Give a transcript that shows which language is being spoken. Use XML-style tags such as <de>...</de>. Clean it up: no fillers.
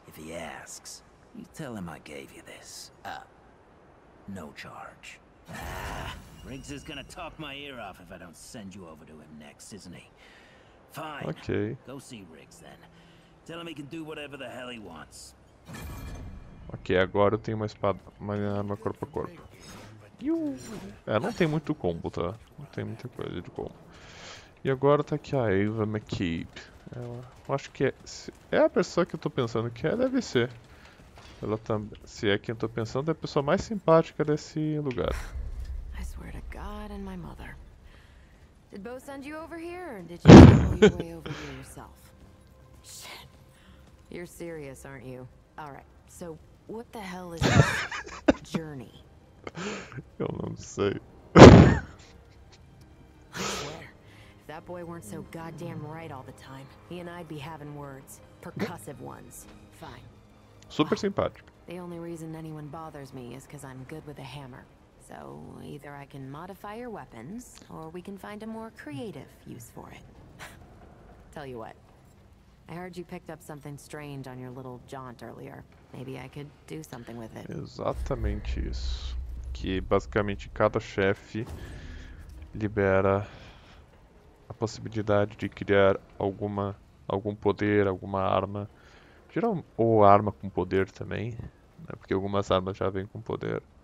<en>If he asks, you tell him I gave you this. No charge. Riggs is gonna talk my ear off if I don't send you over to him next, isn't he? Fine. Okay. Go see Riggs then. Tell him he can do whatever the hell he wants.</en> <pt>Ok, agora eu tenho uma espada, uma arma corpo a corpo. É, não tem muito combo, tá? Não tem muita coisa de combo. E agora tá aqui a Ava McCabe. Ela, eu acho que é, é a pessoa que eu tô pensando que é, deve ser. Ela tá, se é quem eu tô pensando, é a pessoa mais simpática desse lugar. Eu juro a Deus e a minha mãe.</pt> <en>Did Bo send you over here, or did you go way over here yourself? Shit. You're serious, aren't you? All right. So, what the hell is journey?</en> <pt>Eu não sei.</pt> <en>If that boy weren't so goddamn right all the time, he and I'd be having words, percussive ones. Fine.</en> <pt>Super simpático.</pt> <en>The only reason anyone bothers me is because I'm good with a hammer. So either I can modify your weapons, or we can find a more creative use for it. Tell you what. I heard you picked up something strange on your little jaunt earlier. Maybe I could do something with it.</en> <pt>Exatamente isso. Que basicamente cada chefe libera a possibilidade de criar algum poder, alguma arma. Ou arma com poder também, né? Porque algumas armas já vêm com poder.</pt>